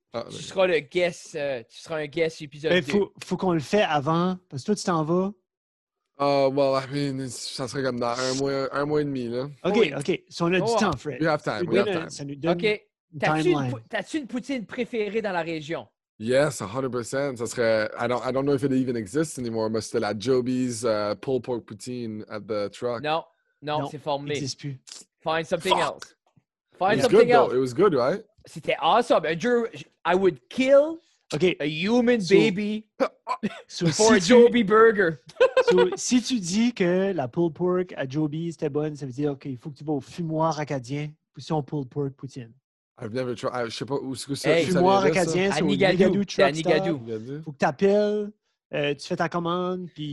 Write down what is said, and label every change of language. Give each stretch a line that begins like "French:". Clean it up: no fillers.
French: Ah, tu seras le guest, tu seras un guest épisode 2. Faut qu'on le fait avant, parce que toi, tu t'en vas. Ça serait comme dans un mois et demi, là. OK. Si on a du temps, Fred.
English: We have time.
French: Ça nous donne une timeline. T'as-tu une poutine préférée dans la région?
English: Yes, 100%.
French: Ça serait...
English: I don't know if it even exists anymore,
French: mais c'était la
English: Joby's pulled pork poutine at the truck.
French: Non, c'est formé. Il n'existe plus.
English: Find something else. Find something else. It was good, right?
French: C'était awesome.
English: I would kill a human baby for a Joby burger.
French: So, si tu dis que la pulled pork à Joby c'était bonne, ça veut dire qu'il faut que tu vas au fumoir acadien pour son pulled pork poutine.
English: I've never tried.
French: Je sais pas où c'est que ça. Fumoir acadien, c'est au Nigadou Truck Stop. Faut que tu appelles, tu fais ta commande.